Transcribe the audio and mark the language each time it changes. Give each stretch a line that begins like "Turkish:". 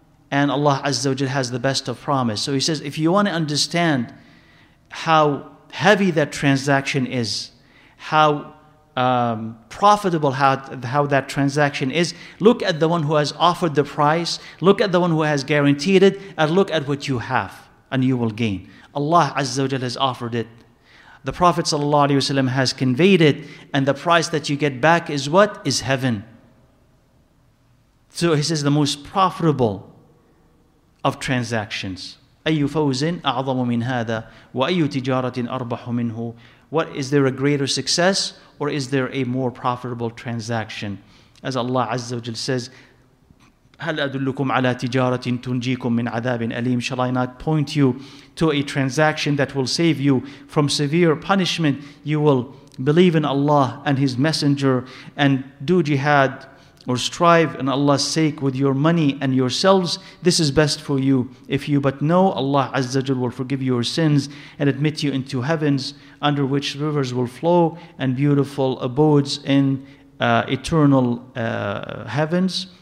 English: And Allah Azza wa Jal has the best of promise. So he says, if you want to understand how heavy that transaction is, how profitable how that transaction is, look at the one who has offered the price, look at the one who has guaranteed it, and look at what you have, and you will gain. Allah Azza wa Jal has offered it. The Prophet Sallallahu Alaihi Wasallam has conveyed it, and the price that you get back is what? Is heaven. So he says, the most profitable of transactions.
Arabic: أي فوز أعظم من هذا وأي تجارة أربح منه.
English: What is there a greater success, or is there a more profitable transaction? As Allah Azza wa Jal says,
Arabic: هل أدلكم على تجارة تنجيكم من عذاب أليم.
English: Shall I not point you to a transaction that will save you from severe punishment? You will believe in Allah and His Messenger and do jihad, or strive in Allah's sake with your money and yourselves. This is best for you. If you but know, Allah Azza wa Jal will forgive your sins and admit you into heavens, under which rivers will flow and beautiful abodes in eternal heavens.